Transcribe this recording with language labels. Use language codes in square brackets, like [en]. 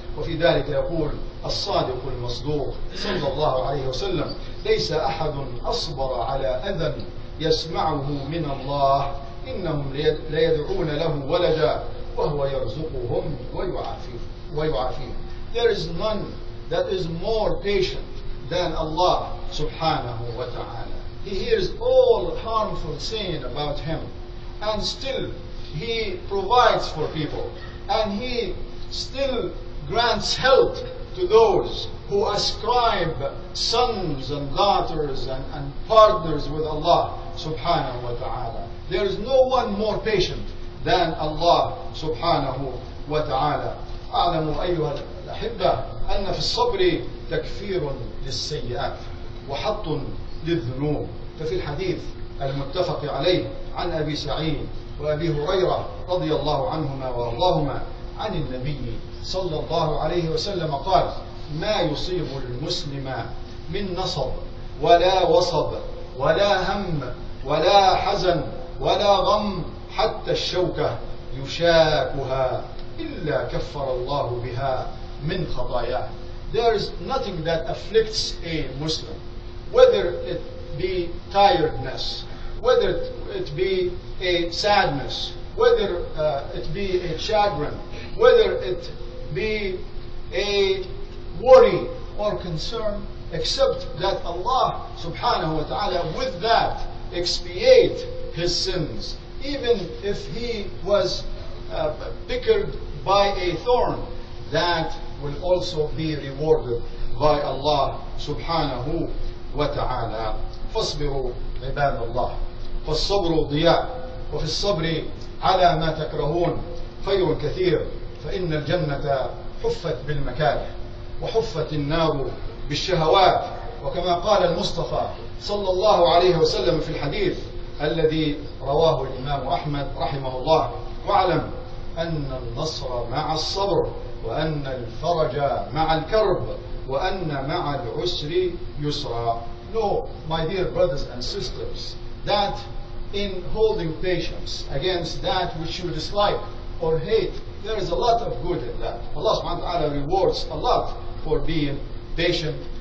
[ar] وفي ذلك يقول الصادق المصدوق صلى الله عليه وسلم ليس أحد أصبر على أذى يسمعه من الله إنهم ليدعون له ولدا وهو يرزقهم ويعافيهم. [en] There is none that is more patient than Allah subhanahu wa ta'ala. He hears all harmful saying about him and still he provides for people and he still grants help to those who ascribe sons and daughters and partners with Allah subhanahu wa ta'ala. There is no one more patient than Allah subhanahu [ar] وتعالى. أعلموا أيها الأحبة أن في الصبر تكفير للسيئات وحط للذنوب. ففي الحديث المتفق عليه عن أبي سعيد وأبي هريرة رضي الله عنهما وأرضاهما عن النبي صلى الله عليه وسلم قال: ما يصيب المسلم من نصب ولا وصب ولا هم ولا حزن ولا غم حتى الشوكة يشاكها إلا كفر الله بها من خطاياه. [en] There is nothing that afflicts a Muslim, whether it be tiredness, whether it be a sadness, whether it be a chagrin, whether it be a worry or concern, except that Allah subhanahu wa ta'ala with that expiate his sins. Even if he was pickled by a thorn, that will also be rewarded by Allah subhanahu wa ta'ala. [ar] فاصبروا عباد الله فالصبر ضياء وفي الصبر على ما تكرهون خير كثير فإن الجنة حفت بالمكاره وحفت النار بالشهوات وكما قال المصطفى صلى الله عليه وسلم في الحديث الذي رواه الإمام أحمد رحمه الله واعلم أن النصر مع الصبر وأن الفرج مع الكرب وأن مع العسر يسرا. [en] No, my dear brothers and sisters, that in holding patience against that which you dislike or hate, there is a lot of good in that. Allah subhanahu wa ta'ala rewards a lot for being patient.